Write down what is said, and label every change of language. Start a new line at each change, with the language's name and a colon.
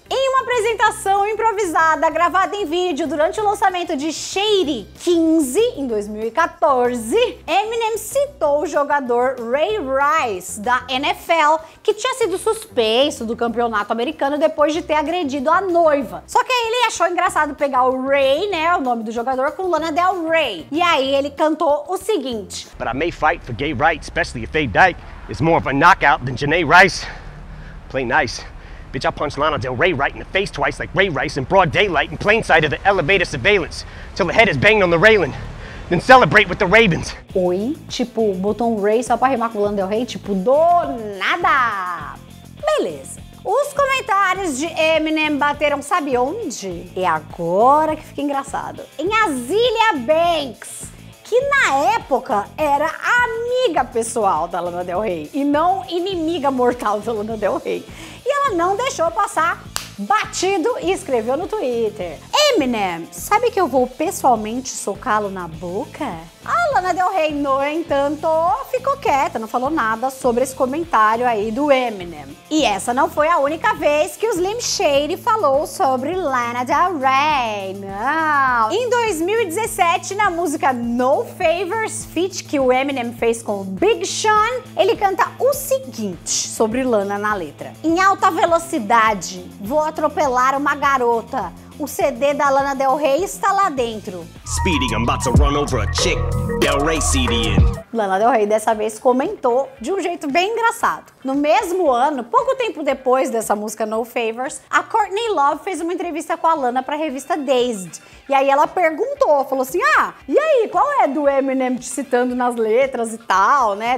Portuguese: Em uma apresentação improvisada, gravada em vídeo durante o lançamento de Shady 15, em 2014, Eminem citou o jogador Ray Rice, da NFL, que tinha sido suspenso do campeonato americano depois de ter agredido a noiva. Só que aí ele achou engraçado pegar o Ray, né, o nome do jogador, com Lana Del Rey. E aí ele cantou o seguinte:
English: but I may fight for gay rights, especially if Faye Dyke is more of a knockout than Janae Rice. Play nice. Bitch, I punched Lana Del Rey right in the face twice like Ray Rice in broad daylight in plain sight of the elevator surveillance till the head is banged on the railing. then celebrate with the Ravens.
Portuguese: Oi? Tipo, botou um Ray só pra rimar com o Lana Del Rey? Tipo, do nada! Beleza. Os comentários de Eminem bateram sabe onde? E agora que fica engraçado. Em Azealia Banks, que na época era amiga pessoal da Lana Del Rey e não inimiga mortal da Lana Del Rey. E ela não deixou passar batido e escreveu no Twitter. Eminem, sabe que eu vou pessoalmente socá-lo na boca? A Lana Del Rey, no entanto, ficou quieta, não falou nada sobre esse comentário aí do Eminem. E essa não foi a única vez que o Slim Shady falou sobre Lana Del Rey, não. Em 2017, na música No Favors Feat, que o Eminem fez com o Big Sean, ele canta o seguinte sobre Lana na letra. Em alta velocidade, vou atropelar uma garota. O CD da Lana Del Rey está lá dentro.
English: Speeding, I'm about to run over a chick. Del Rey CD in.
Portuguese: Lana Del Rey dessa vez comentou de um jeito bem engraçado. No mesmo ano, pouco tempo depois dessa música No Favors, a Courtney Love fez uma entrevista com a Lana para a revista Dazed. E aí ela perguntou, falou assim, ah, e aí, qual é do Eminem te citando nas letras e tal, né?